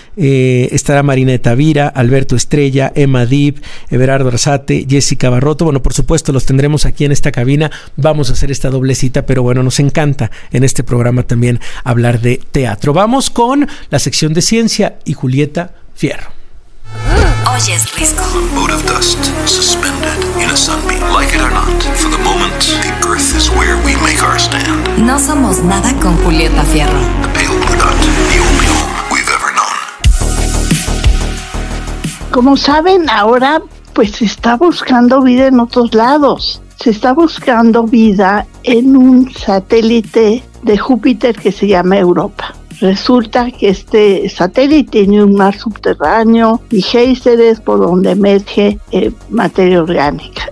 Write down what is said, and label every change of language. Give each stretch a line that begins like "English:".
Spanish: Estará Marina de Tavira, Alberto Estrella, Emma Deep, Everardo Arzate, Jessica Barroto. Bueno, por supuesto, los tendremos aquí en esta cabina. Vamos a hacer esta doble cita, pero bueno, nos encanta en este programa también hablar de teatro. Vamos con la sección de ciencia y Julieta Fierro. Oyes, Risco.
English: Boat of dust, suspended in a sunbeam. Like it or not, for the moment, the earth is where we make our stand.
Spanish: No somos nada con Julieta Fierro.
English: The pale blue dot, the only home we've ever known.
Spanish: Como saben, ahora pues se está buscando vida en otros lados. Se está buscando vida en un satélite de Júpiter que se llama Europa. Resulta que este satélite tiene un mar subterráneo y géiseres por donde emerge materia orgánica.